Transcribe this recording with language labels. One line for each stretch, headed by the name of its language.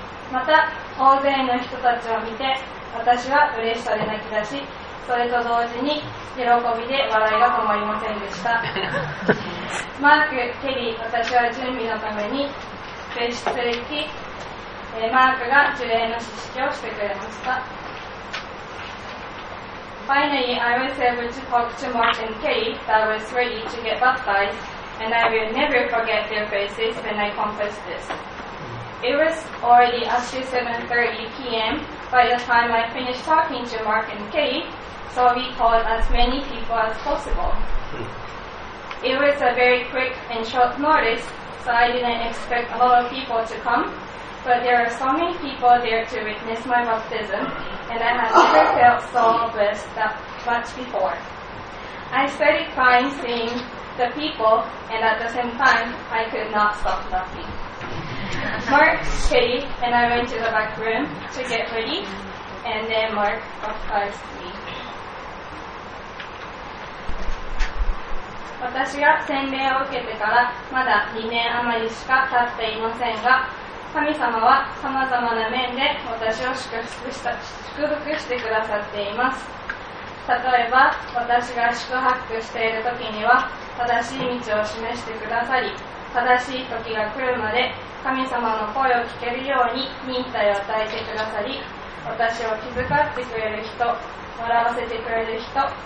Japanese: また大勢の人たちを見て私は嬉しさで泣き出し、それと同時に喜びで笑いが止まりませんでした。マーク、ケリー、私は準備のために別室へ行き、マークが呪霊の知識をしてくれました。
English: Finally, I was able to talk to Mark and Kay that was ready to get baptized, and I will never forget their faces when I confessed this. It was already after 7:30 p.m. by the time I finished talking to Mark and Kay, so we called as many people as possible. It was a very quick and short notice, so I didn't expect a lot of people to come. But there are so many people there to witness my baptism, and I have never felt so blessed that much before. I started crying seeing the people, and at the same time, I could not stop laughing. Mark, Katie, and I went to the back room to get ready, and then Mark baptized me.
Japanese: 私が洗礼を受けてからまだ2年余りしか経っていませんが、神様は様々な面で私を祝福してくださっています。例えば私が宿泊している時には正しい道を示してくださり、正しい時が来るまで神様の声を聞けるように忍耐を与えてくださり、私を気遣ってくれる人、笑わせてくれる人、